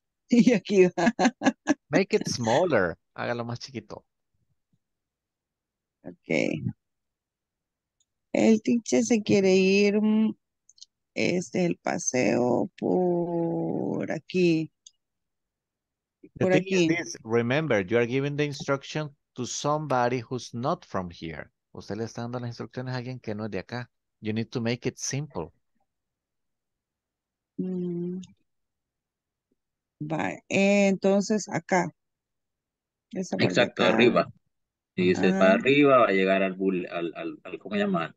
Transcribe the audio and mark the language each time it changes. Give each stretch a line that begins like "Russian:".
Spanish: Y aquí va.
English: Make it smaller,
Spanish: hágalo más chiquito.
English: Ok.
Spanish: El teacher se quiere ir, el paseo por aquí. Por aquí.
English: Is, remember, you are giving the instruction to somebody who's not from here.
Spanish: Usted le está dando las instrucciones a alguien que no es de acá.
English: You need to make it simple.
Spanish: Vale. Entonces, acá. Esa exacto, acá. Arriba. Si dice para arriba, va a llegar al ¿cómo se llama?